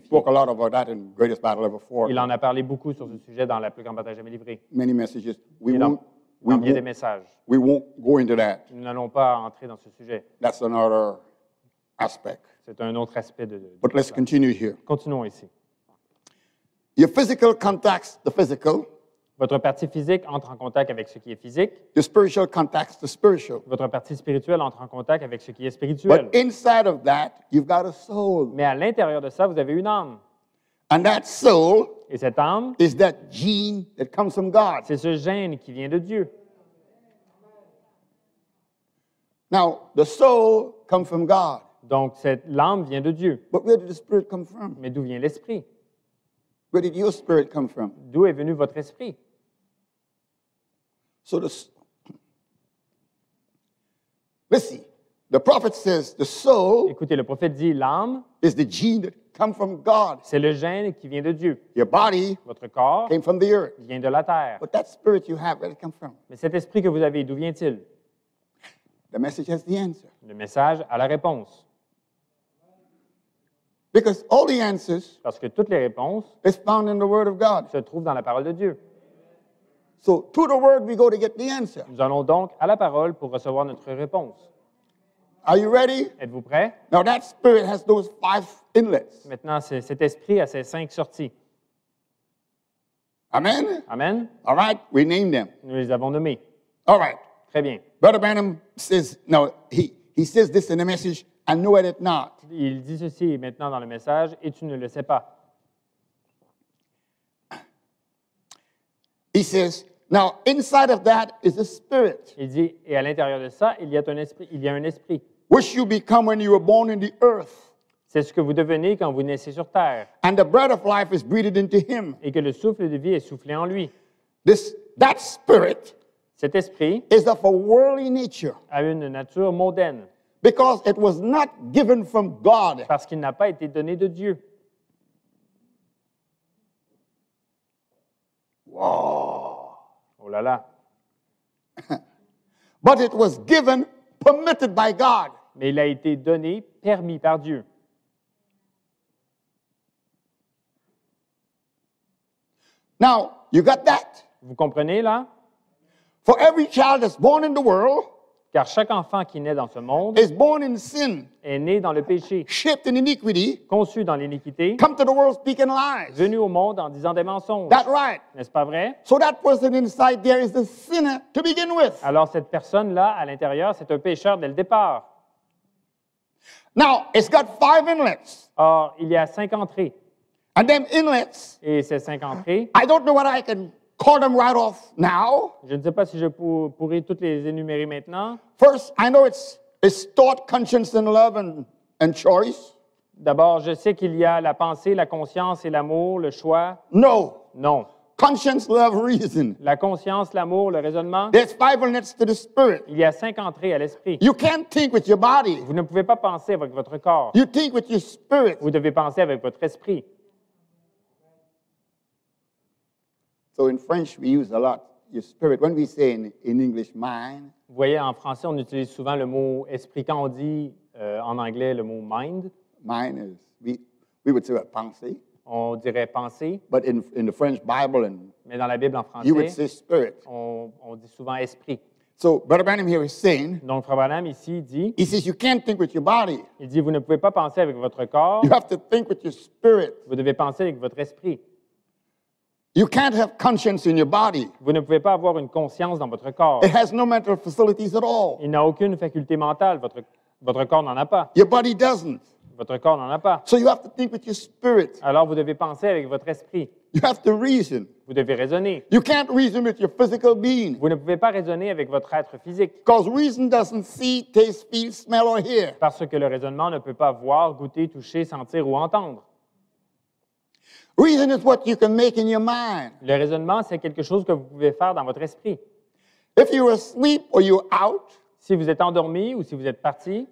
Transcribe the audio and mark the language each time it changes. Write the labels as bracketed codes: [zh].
[en] He spoke a lot about that in Greatest Battle Ever Fought. [fr] Il en a parlé beaucoup sur ce sujet dans la plus grande bataille jamais livrée. [en] Many messages. We won't go into that. [fr] Nous n'allons pas entrer dans ce sujet. [en] That's another aspect. [fr] C'est un autre aspect de. [en] But let's continue here. [fr] Continuons ici. [en] Your physical contacts the physical. [fr] Votre partie physique entre en contact avec ce qui est physique. [en] The spiritual contacts the spiritual. [fr] Votre partie spirituelle entre en contact avec ce qui est spirituel. [en] But inside of that, you've got a soul. [fr] Mais à l'intérieur de ça, vous avez une âme. [en] And that soul [fr] et cette âme [en] is that gene that comes from God. [fr] C'est ce gène qui vient de Dieu. [en] Now, the soul comes from God. [fr] Donc, cette l'âme vient de Dieu. [en] But where did the spirit come from? [fr] Mais d'où vient l'esprit? [en] Where did your spirit come from? [fr] D'où est venu votre esprit? [en] So the, let's see. The prophet says the soul. [fr] Écoutez, le prophète dit l'âme. [en] Is the gene that comes from God? [fr] C'est le gène qui vient de Dieu. [en] Your body. [fr] Votre corps. [en] Came from the earth. [fr] Vient de la terre. [en] But that spirit you have, where did it come from? [fr] Mais cet esprit que vous avez, d'où vient-il? [en] The message has the answer. [fr] Le message a la réponse. [en] Because all the answers [fr] parce que toutes les réponses [en] is found in the word of God. [fr] Se trouvent dans la parole de Dieu. [en] So to the word we go to get the answer. [fr] Nous allons donc à la parole pour recevoir notre réponse. [en] Are you ready? [fr] Êtes-vous prêt? [en] Now that spirit has those five inlets. [fr] Maintenant, cet esprit a ses cinq sorties. Amen. Amen. [en] All right, we name them. [fr] Nous les avons nommés. [en] All right. [fr] Très bien. [en] Brother Branham says, no, he says this in the message, I know it not. [fr] Il dit ceci maintenant dans le message, et tu ne le sais pas. [en] He says, now inside of that is a spirit. [fr] Il dit, et à l'intérieur de ça, il y a un esprit. Il y a un esprit. [en] Which you become when you were born in the earth. [fr] C'est ce que vous devenez quand vous naissez sur terre. [en] And the breath of life is breathed into him. [fr] Et que le souffle de vie est soufflé en lui. [en] This, that spirit. [fr] Cet esprit [en] is of a worldly nature. [fr] A une nature mondaine. [en] Because it was not given from God. [fr] Parce qu'il n'a pas été donné de Dieu. [en] Wow. [fr] Oh là là. [en] But it was given, permitted by God. [fr] Mais il a été donné, permis par Dieu. [en] Now, you got that? [fr] Vous comprenez là? [en] For every child that's born in the world, [fr] car chaque enfant qui naît dans ce monde [en] is born in sin, [fr] est né dans le péché, [en] shaped in iniquity, [fr] conçu dans l'iniquité, [en] come to the world speaking lies, [fr] venu au monde en disant des mensonges. [en] That right? [fr] N'est-ce pas vrai? [en] So that person inside there is a sinner to begin with. [fr] Alors cette personne là à l'intérieur, c'est un pécheur dès le départ. [en] Now it's got five inlets. [fr] Or il y a cinq entrées. [en] And them inlets. [fr] Et ces cinq entrées. [en] I don't know what I can. Call them right off now. [fr] Je ne sais pas si je pourrais toutes les énumérer maintenant. [en] First, I know it's thought, conscience, and love, and choice. [fr] D'abord, je sais qu'il y a la pensée, la conscience et l'amour, le choix. [en] No. [fr] Non. [en] Conscience, love, reason. [fr] La conscience, l'amour, le raisonnement. [en] There's five inlets to the spirit. [fr] Il y a cinq entrées à l'esprit. [en] You can't think with your body. [fr] Vous ne pouvez pas penser avec votre corps. [en] You think with your spirit. [fr] Vous devez penser avec votre esprit. [en] So in French we use a lot your spirit when we say in English mind. [fr] Vous voyez en français on utilise souvent le mot esprit quand on dit en anglais le mot mind. [en] Mind is we would say pensée. [fr] On dirait pensée. [en] But in the French Bible and [fr] mais dans la Bible en français [en] you would say spirit. [fr] On dit souvent esprit. [en] So Brother Branham here is saying. [fr] Donc Frère Branham ici dit. [en] He says you can't think with your body. [fr] Il dit vous ne pouvez pas penser avec votre corps. [en] You have to think with your spirit. [fr] Vous devez penser avec votre esprit. [en] You can't have conscience in your body. [fr] Vous ne pouvez pas avoir une conscience dans votre corps. [en] It has no mental facilities at all. [fr] Il n'a aucune faculté mentale. Votre corps n'en a pas. [en] Your body doesn't. [fr] Votre corps n'en a pas. [en] So you have to think with your spirit. [fr] Alors vous devez penser avec votre esprit. [en] You have to reason. [fr] Vous devez raisonner. [en] You can't reason with your physical being. [fr] Vous ne pouvez pas raisonner avec votre être physique. [en] Because reason doesn't see, taste, feel, smell or hear. [fr] Parce que le raisonnement ne peut pas voir, goûter, toucher, sentir ou entendre. [en] Reason is what you can make in your mind. [fr] Le raisonnement, c'est quelque chose que vous pouvez faire dans votre esprit. [en] If you're asleep or you're out, [fr] si vous êtes endormi ou si vous êtes parti,